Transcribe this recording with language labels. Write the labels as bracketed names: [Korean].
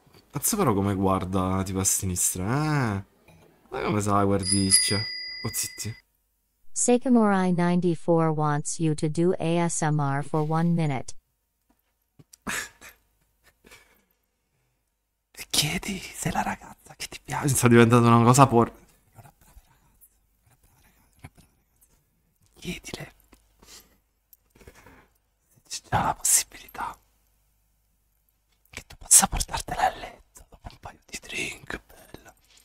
[Italian] Pazzo però come guarda tipo a sinistra, eh? Ma come sa la guardiccia? Oh, zitti. [English] Sakamurai 94 wants you to do ASMR for 1 minute. [Italian] E chiedi se la ragazza che ti piace sta diventando una cosa por... Chiedile se c'è già la possibilità che tu possa portartela a letto dopo un paio di drink, bello.